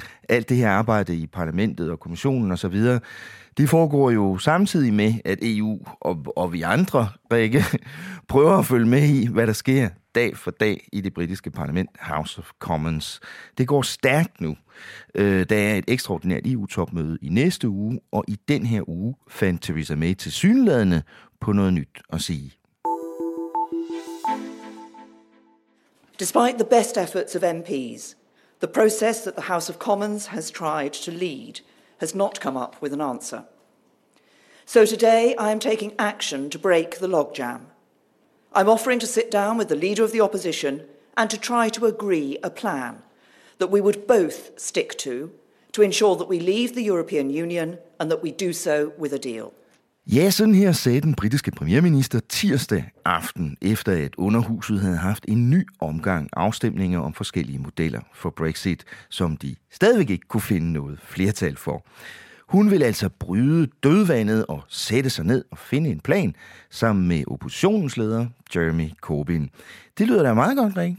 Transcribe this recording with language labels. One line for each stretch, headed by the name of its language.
Danish: Alt det her arbejde i parlamentet og kommissionen og så videre, det foregår jo samtidig med, at EU og vi andre, Rikke, prøver at følge med i, hvad der sker dag for dag i det britiske parlament, House of Commons. Det går stærkt nu. Der er et ekstraordinært EU-topmøde i næste uge, og i den her uge fandt Theresa May tilsyneladende på noget nyt at sige.
English: Despite the best efforts of MPs, the process that the House of Commons has tried to lead has not come up with an answer. So today I am taking action to break the logjam. I'm offering to sit down with the Leader of the Opposition and to try to agree a plan that we would both stick to ensure that we leave the European Union and that we do so with a deal.
Danish: Ja, sådan her sagde den britiske premierminister tirsdag aften, efter at underhuset havde haft en ny omgang afstemninger om forskellige modeller for Brexit, som de stadigvæk ikke kunne finde noget flertal for. Hun vil altså bryde dødvandet og sætte sig ned og finde en plan sammen med oppositionens leder Jeremy Corbyn. Det lyder da meget godt, ikke?